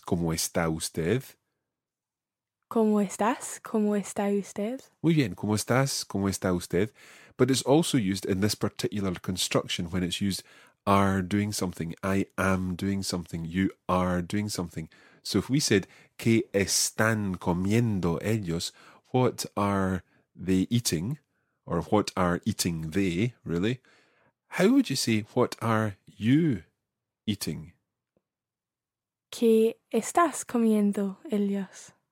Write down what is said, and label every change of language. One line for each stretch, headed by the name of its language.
Spanish: ¿Cómo está usted? ¿Cómo estás? ¿Cómo está usted? Muy bien. ¿Cómo estás? ¿Cómo está usted?
English: But it's also used in this particular construction when it's used are doing something. I am doing something. You are doing something. So if we said
Spanish: ¿qué están comiendo ellos?
English: What are they eating? Or what are eating they, really? How would you say what are you eating?
Spanish: ¿Qué estás comiendo ellos?